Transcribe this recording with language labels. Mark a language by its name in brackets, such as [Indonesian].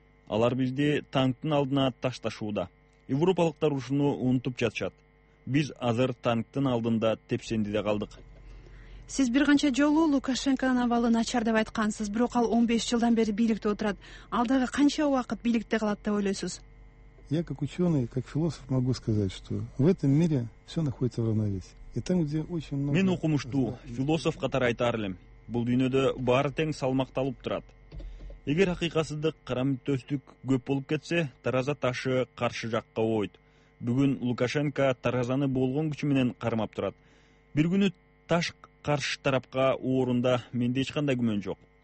[Kyrgyz] Алар бизди танктын алдына ташташууда. Европалыктар ушуну унутуп жатышат. Биз азыр танктын алдында тепсенди да калдык. Сиз бир канча жолу Лукашенконун абалы начар деп айткансыз, бирок ал 15 жылдан бери бийликте отурат. Алдагы канча убакыт бийликте калат деп ойлойсуз? [Russian] Я как ученый, как философ могу сказать, что в этом мире все находится в равновесии. И там, где очень много... [Kyrgyz] Мен окумуштуу, философ катары айтар элем. Бул дүйнөдө баары тең салмакталып турат. Эгер акыйкатсыздык, карамтөстүк көп болуп кетсе, тараза ташы каршы жакка ооит. Бүгүн Лукашенко таразаны болгон күчү менен кармап турат. Бир күнү таш каршы тарапка оорунда менде эч кандай күмөн жок.